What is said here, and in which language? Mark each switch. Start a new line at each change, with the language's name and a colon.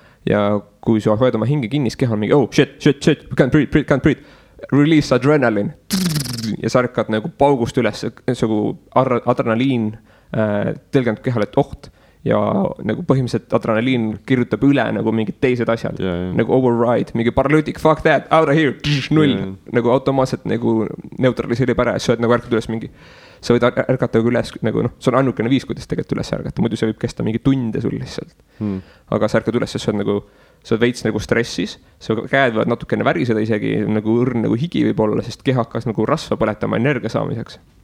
Estonian: ja kui sa hoiad oma hinge kinnis, keha on mingi,
English: oh shit, shit, shit, can't breathe, breathe, can't breathe. Release adrenaline.
Estonian: Ja sa hakkad nagu paugust üles, see kui adrenaliin tõlgendab kehale, et oht. Ja nagu põhimõtteliselt adrenaliin kirjutab üle nagu mingid teised asjad.
English: Yeah, yeah. Nagu override, mingi paralytic, fuck that, out of here, null. Yeah, yeah.
Estonian: Nagu automaatselt nagu neutraliseerib ära, sa oled nagu ärkud üles mingi. Sa võid ärgata kui üles, nagu noh, see on annukene viis, kuidas tegelikult üles ärgata. Muidu see võib kesta mingi tunde sul lihtsalt. Hmm. Aga sa ärgad üles, sest sa oled veits nagu stressis. Sa käed võivad natukene väriseda isegi, nagu õrn nagu higi võib olla, sest keha hakkas nagu rasva põletama energia saamiseks.